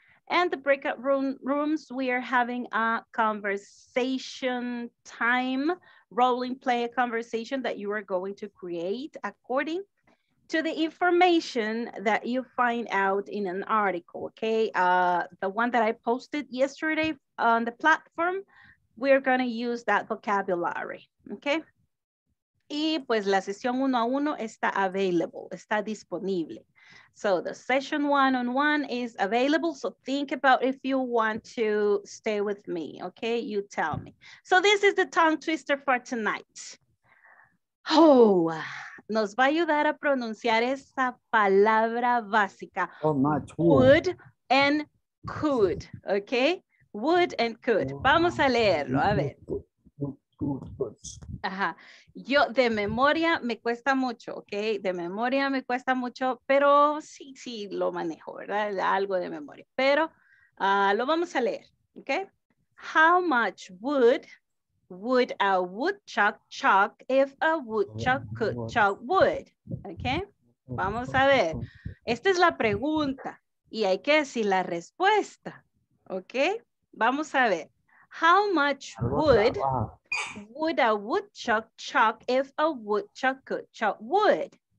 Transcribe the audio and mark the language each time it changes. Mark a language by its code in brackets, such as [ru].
[en] And the breakout rooms, we are having a conversation time, role play a conversation that you are going to create according to the information that you find out in an article, okay? The one that I posted yesterday on the platform, we're gonna use that vocabulary, okay? [es] Y pues la sesión uno a uno está [en] available, [es] está disponible. [en] So the session one-on-one is available. So think about if you want to stay with me, okay? You tell me. So this is the tongue twister for tonight. [es] Oh, nos va a ayudar a pronunciar esa palabra básica. [en] Oh, my tool. Would and could, okay? Would and could. [es] Vamos a leerlo, a ver. Ajá. Yo de memoria me cuesta mucho, ok, de memoria me cuesta mucho, pero sí, sí, lo manejo, ¿verdad? Algo de memoria, pero lo vamos a leer, ok. [en] How much wood would a woodchuck chuck if a woodchuck could chuck wood? [es] Ok, vamos a ver, esta es la pregunta y hay que decir la respuesta, ok, vamos a ver. [en] How much wood would a woodchuck chuck if a woodchuck could chuck wood?